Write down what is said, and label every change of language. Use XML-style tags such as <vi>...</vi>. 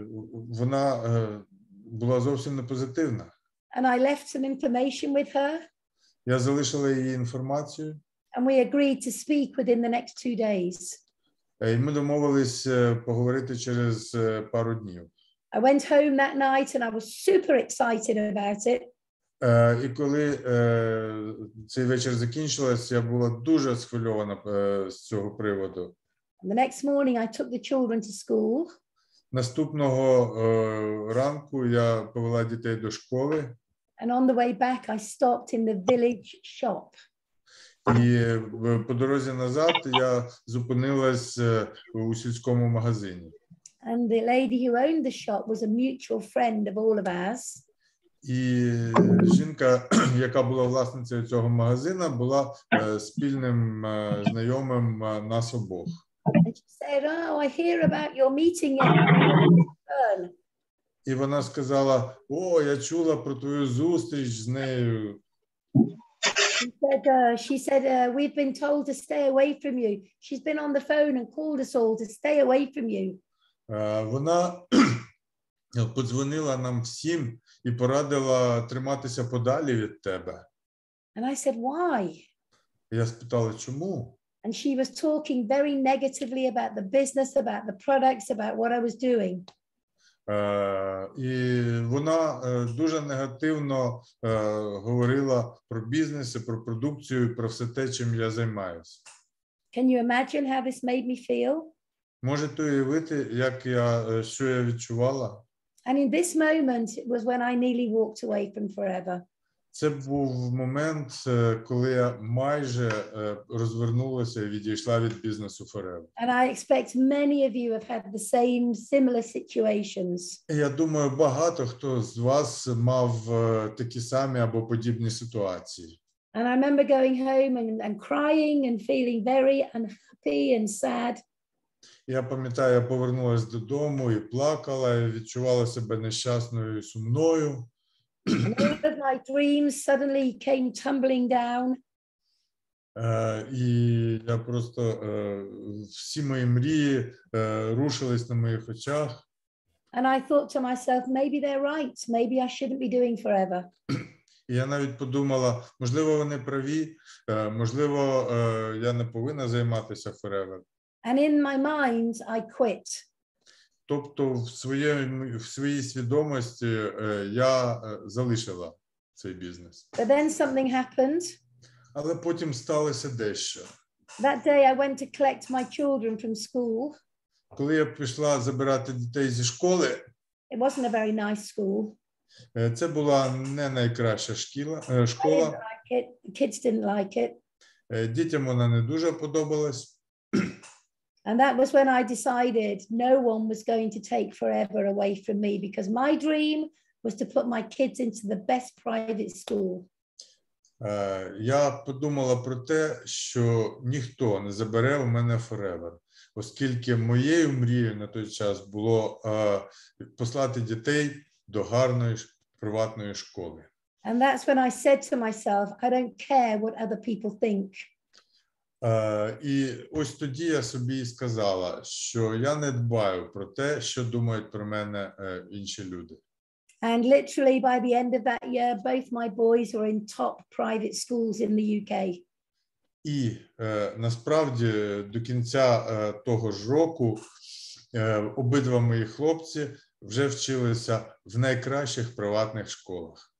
<uk>Вона була зовсім не позитивна.</uk> <en>And I left some information with her.</en> <uk>Я залишила їй інформацію.</uk> <en>And we agreed to speak within the next 2 days.</en> <uk>І ми домовились поговорити через пару днів.</uk> <en>I went home that night and I was super excited about it.</en> <uk>І коли цей вечір закінчилось, я була дуже схвильована з цього приводу.</uk> <en>And the next morning I took the children to school.</en> <uk>Наступного ранку я повела дітей до школи.</uk> <en>And on the way back, I stopped in the village shop.</en> <uk>І по дорозі назад я зупинилась у сільському магазині.</uk> <en>And the lady who owned the shop was a mutual friend of all of us.</en> <uk>І жінка, яка була власницею цього магазина, була спільним знайомим нас обох.</uk> <en>And she said, "Oh, I hear about your meeting."</en> <uk>І вона сказала: "О, я чула про твою зустріч з нею."</uk> <en>She said, "We've been told to stay away from you. She's been on the phone and called us all to stay away from you."</en> <uk>Вона подзвонила нам всім і порадила триматися подалі від тебе.</uk> <en>And I said, "Why?"</en> <uk>Я спитала, чому?</uk> <en>And she was talking very negatively about the business, about the products, about what I was doing.</en> <uk>І вона дуже негативно говорила про бізнес, про продукцію, про все те, чим я займаюся.</uk> <en>Can you imagine how this made me feel?</en> <uk>Можете уявити, як я, що я відчувала?</uk> <en>And in this moment, it was when I nearly walked away from Forever.</en> <uk>Це був момент, коли я майже розвернулася і відійшла від бізнесу Forever.</uk> <en>And I expect many of you have had the same similar situations.</en> <uk>Я думаю, багато хто з вас мав такі самі або подібні ситуації.</uk> <en>And I remember going home and crying and feeling very unhappy and sad.</en> <uk>Я пам'ятаю, я повернулася додому і плакала, і відчувала себе нещасною і сумною.</uk> <en>And all of my dreams suddenly came tumbling down.</en> <uk>І я просто всі мої мрії рушились на моїх очах.</uk> <en>And I thought to myself, maybe they're right, maybe I shouldn't be doing forever.</en> <uk>Я навіть подумала, можливо, вони праві, можливо, я не повинна займатися forever.</uk> <en>And in my mind, I quit.</en> <uk>Тобто в своїй свідомості я залишила цей бізнес.</uk> <en>But then something happened.</en> <uk>Але потім сталося дещо.</uk> <en>That day I went to collect my children from school.</en> <uk>Коли я пішла забирати дітей зі школи,</uk> <en>it wasn't a very nice school.</en> <uk>Це була не найкраща школа.</uk> <en>Kids didn't like it.</en> <uk>Дітям вона не дуже подобалась.</uk> <en>And that was when I decided no one was going to take forever away from me because my dream was to put my kids into the best private school.</en> <uk>Я подумала про те, що ніхто не забере у мене forever, оскільки моєю мрією на той час було послати дітей до гарної приватної школи.</uk> <en>And that's when I said to myself, I don't care what other people think.</en> <uk>І ось тоді я собі сказала, що я не дбаю про те, що думають про мене інші люди.</uk> <en>And literally by the end of that year, both my boys were in top private schools in the UK.</en> <uk>І насправді до кінця того ж року обидва мої хлопці вже вчилися в найкращих приватних школах.</uk>